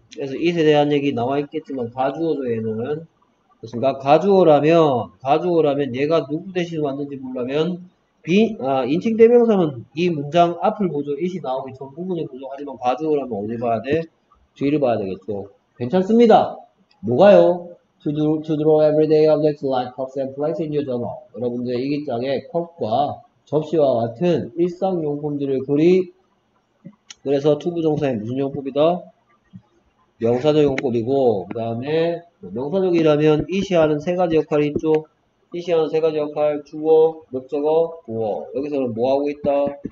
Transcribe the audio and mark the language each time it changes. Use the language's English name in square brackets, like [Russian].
[Korean] 그래서 it에 대한 얘기 나와 있겠지만 가주어도 얘는 그렇습니까? 가주어라면 얘가 누구 대신 왔는지 모르면 인칭 대명사는 이 문장 앞을 보죠. it이 나오기 전 부분이 보죠. 하지만 가주어라면 어디 봐야 돼? 뒤를 봐야 되겠죠. 괜찮습니다. 뭐가요? [English] To draw everyday objects like cups and plates in your journal. [Korean] 여러분들의 일기장에 컵과 접시와 같은 일상 용품들을 그리. 그래서 to 부정사의 무슨 용법이다? 명사적 용법이고, 그 다음에 명사적이라면 it이 하는 세 가지 역할이 있죠. it이 하는 세 가지 역할. 주어, 목적어, 보어. 여기서는 뭐하고 있다?